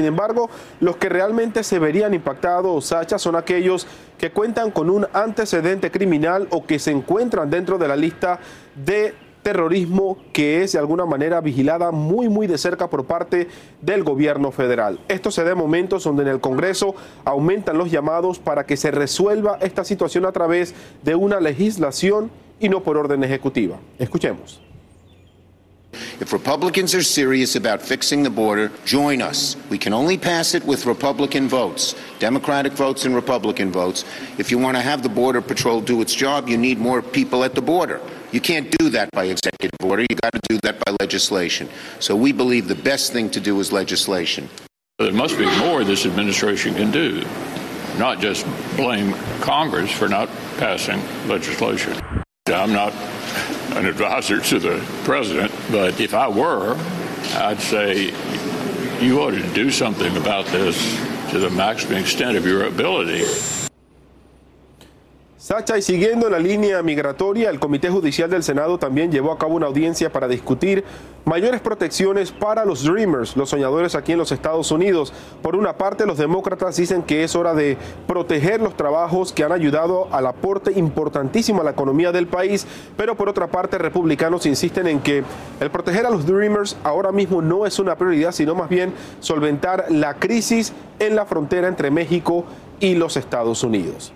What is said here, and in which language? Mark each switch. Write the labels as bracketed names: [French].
[Spanish] Sin embargo, los que realmente se verían impactados, Sasha, son aquellos que cuentan con un antecedente criminal o que se encuentran dentro de la lista de terrorismo que es de alguna manera vigilada muy, muy de cerca por parte del gobierno federal. Esto se da en momentos donde en el Congreso aumentan los llamados para que se resuelva esta situación a través de una legislación y no por orden ejecutiva. Escuchemos. [English] If Republicans are serious about fixing the border, join us. We can only pass it with Republican votes, Democratic votes and Republican votes. If you want to have the Border Patrol do its job, you need more people at the border. You can't do that by executive order. You got to do that by legislation. So we believe the best thing to do is legislation. There must be more this administration can do, not just blame Congress for not passing legislation. I'm not an advisor to the president, but if I were, I'd say you ought to do something about this to the maximum extent of your ability. [Spanish] Sacha, y siguiendo la línea migratoria, el Comité Judicial del Senado también llevó a cabo una audiencia para discutir mayores protecciones para los Dreamers, los soñadores aquí en los Estados Unidos. Por una parte, los demócratas dicen que es hora de proteger los trabajos que han ayudado al aporte importantísimo a la economía del país, pero por otra parte, republicanos insisten en que el proteger a los Dreamers ahora mismo no es una prioridad, sino más bien solventar la crisis en la frontera entre México y los Estados Unidos.